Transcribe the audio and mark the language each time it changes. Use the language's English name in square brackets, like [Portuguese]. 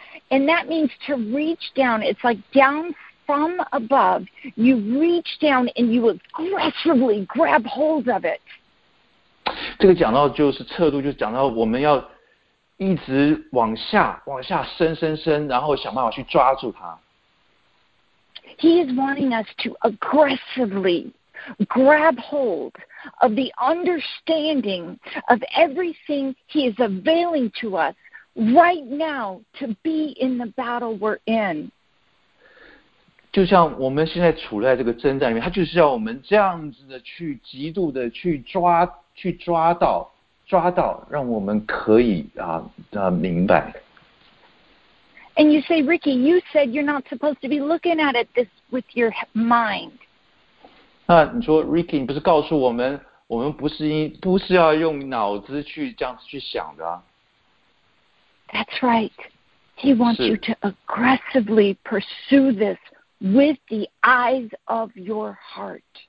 [English] And that means to reach down. It's like down from above. You reach down and you aggressively grab hold of it. [Chinese] 这个讲到就是测度，就是讲到我们要一直往下，往下伸伸伸，然后想办法去抓住它。 [English] He is wanting us to aggressively grab hold of the understanding of everything he is availing to us right now to be in the battle we're in. [Chinese] 就像我们现在处在这个征战里面，他就是要我们这样子的去极度的去抓到，让我们可以明白。 [English] And you say, Ricky, you said you're not supposed to be looking at it this with your mind. [Chinese] 那你说 ，Ricky， 你不是告诉我们，我们不是要用脑子去这样子去想的、啊、 [English] ？That's right. He wants you to aggressively pursue this with the eyes of your heart.